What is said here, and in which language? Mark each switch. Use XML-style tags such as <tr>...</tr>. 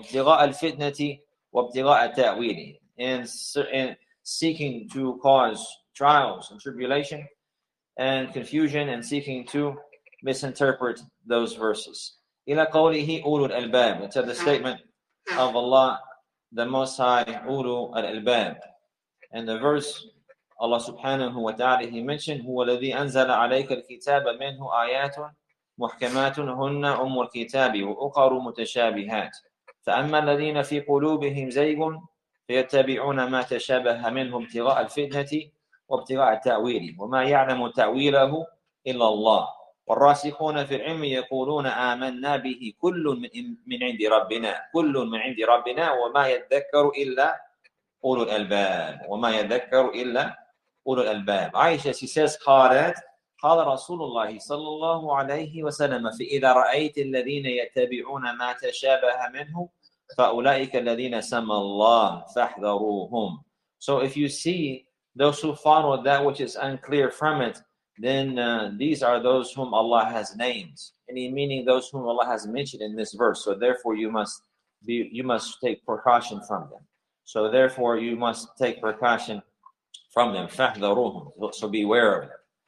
<ar>اِبْتِغَاءَ الْفِتْنَةِ وَابْتِغَاءَ التَّأْوِيلِ,</ar> <en>in seeking to cause trials and tribulation and confusion and seeking to misinterpret those verses.</en> <ar>إِلَى قَوْلِهِ أُولُو الْأَلْبَابِ,</ar> <en>until the statement of Allah, the Most High,</en> <ar>أُولُو الْأَلْبَابِ.</ar> <en>And the verse Allah subhanahu wa ta'ala, He mentioned,</en> <ar>هُوَ الَّذِي أَنْزَلَ عَلَيْكَ الْكِتَابَ مِنْهُ آيَاتٌ مُحْكَمَاتٌ هُنَّ أُمُّ الْكِتَابِ وَأُخَرُ مُتَشَابِهَاتٌ فَأَمَّا الَّذِينَ فِي قُلُوبِهِمْ زَيْغٌ فَيَتَّبِعُونَ مَا تَشَابَهَ مِنْهُ ابْتِغَاءَ الْفِتْنَةِ وَابْتِغَاءَ التَّأْوِيلِ وَمَا يَعْلَمُ تَأْوِيلَهُ إِلَّا اللَّهُ وَالرَّاسِخُونَ فِي الْعِلْمِ يَقُولُونَ آمَنَّا بِهِ كُلٌّ مِنْ عِنْدِ رَبِّنَا كُلٌّ مِنْ عِنْدِ رَبِّنَا وَمَا يَذَّكَّرُ إِلَّا أُولُو الْأَلْبَابِ وَمَا يَذَّكَّرُ إِلَّا أولو الألباب. عائشة,</ar> <en>she says,</en> <ar>قالت قال رسول الله صلى الله عليه وسلم فإذا رأيت الذين يتبعون ما تشابه منه فأولئك الذين سمى الله فاحذروهم.</ar> <en>So if you see those who follow that which is unclear from it, then these are those whom Allah has named, meaning those whom Allah has mentioned in this verse. So therefore you must take precaution from them. So therefore you must take precaution from them,</en> <ar>فَحْذَرُوهُمْ,</ar> <en>so beware of them.</en>